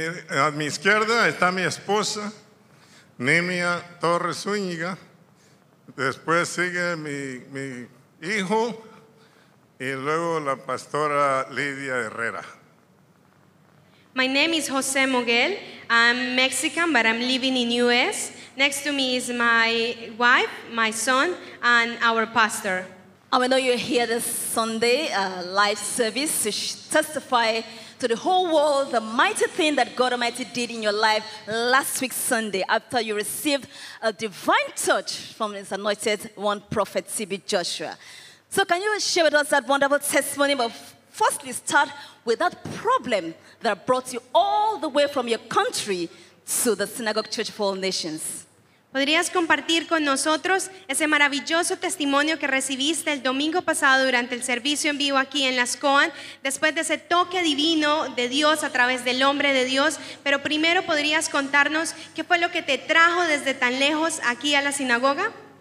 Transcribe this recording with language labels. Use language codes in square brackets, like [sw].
[es] A mi izquierda está mi esposa, Nemia Torres Zúñiga. Después sigue mi hijo, y luego la pastora Lidia Herrera. [en] My name is Jose Moguel. I'm Mexican, but I'm living in U.S. Next to me is my wife, my son, and our pastor. I know you're here this Sunday, live service, to testify to the whole world the mighty thing that God Almighty did in your life last week Sunday, after you received a divine touch from His anointed one prophet, C.B. Joshua. So can you share with us that wonderful testimony? But firstly, start with that problem that brought you all the way from your country to the Synagogue Church for All Nations. [es] ¿Podrías compartir con nosotros ese maravilloso testimonio que recibiste el domingo pasado durante el servicio en vivo aquí en Las Coan, después de ese toque divino de Dios a través del hombre de Dios? Pero primero, ¿podrías contarnos qué fue lo que te trajo desde tan lejos aquí a la sinagoga?